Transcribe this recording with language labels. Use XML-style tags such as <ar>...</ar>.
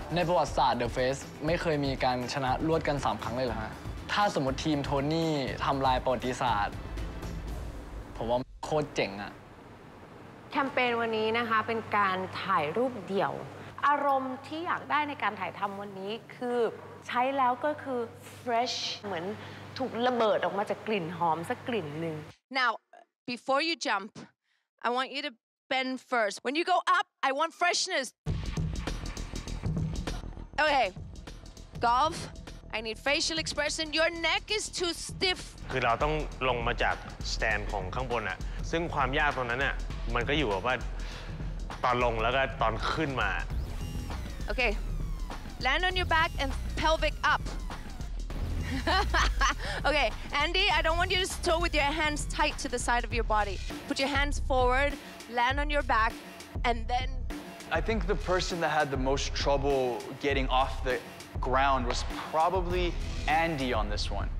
<th>ในประวัติศาสตร์เดอะเฟสไม่เคยมีการชนะรวดกัน3ครั้งเลยเหรอฮะถ้าสมมติทีมโทนี่ทำลายประวัติศาสตร์ผมว่าโคตรเจ๋งอะ แคมเปญวันนี้นะคะเป็นการถ่ายรูปเดี่ยวอารมณ์ที่อยากได้ในการถ่ายทำวันนี้คือใช้แล้วก็คือเฟรชเหมือนถูกระเบิดออกมาจากกลิ่นหอมสักกลิ่นหนึ่ง</th> <en>Now before you jump I want you to bend first when you go up I want freshnessOkay, golf. I need facial expression. Your neck is too stiff.</en> <th>คือเราต้องลงมาจากสแตนของข้างบนอ่ะซึ่งความยากตรงนั้นอ่ะมันก็อยู่กับว่าตอนลงแล้วก็ตอนขึ้นมา</th> <en>Okay, land on your back and pelvic up. Okay, Andy, I don't want you to stow with your hands tight to the side of your body. Put your hands forward, land on your back, and then. I think the person that had the most trouble getting off the ground was probably Andy on this one.</en>